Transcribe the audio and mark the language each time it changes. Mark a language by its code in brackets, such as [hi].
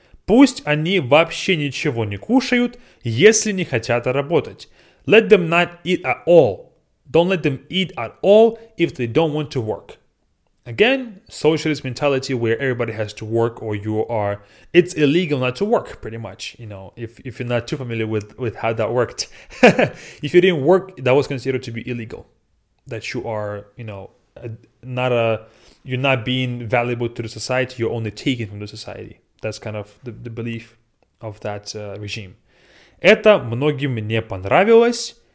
[ru] Пусть они вообще ничего не кушают, если не хотят работать. [en] Let them not eat at all. Don't let them eat at all if they don't want to work. Again, socialist mentality where everybody has to work or you are, it's illegal not to work, pretty much. You know, if you're not too familiar with how that worked. If you didn't work, that was considered to be illegal. That you are, you know, you're not being valuable to the society, you're only taking from the society. That's kind of the belief of that regime. [ru] Это многим не понравилось.